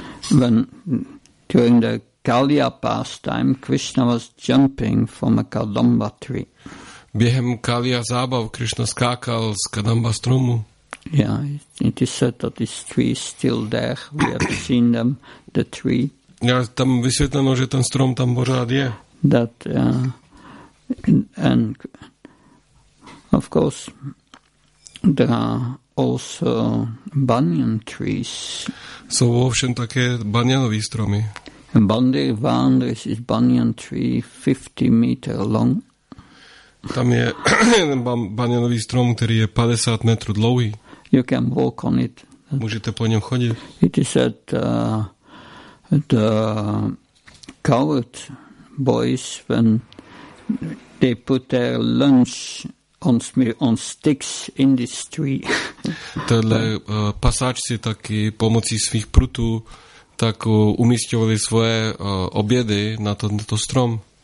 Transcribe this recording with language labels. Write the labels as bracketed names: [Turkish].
[English] When during the Kaliya pastime, Krishna was jumping from a kadamba tree. [Czech] Během Kaliya zábav Krishna skákal z kadamba stromu. [English] Yeah, it is said that this tree is still there. We have seen them, the tree. [Czech] Já tam vysvětleno, že ten strom tam pořád je. [English] That and of course there are also banyan trees. [Czech] Jsou ovšem také banyanové stromy. [English] Bandir Vandr is banyan tree 50 meter long. [Czech] Tam je jeden banyanový strom, který je 50 metrů dlouhý. [English] You can walk on it. [Czech] Můžete po něm chodit. [English] It is said the coward boys, when they put their lunch on sticks in this tree. [Czech] Tohle pasáčci taky pomocí svých prutů tak umístěvali svoje obědy na tento strom.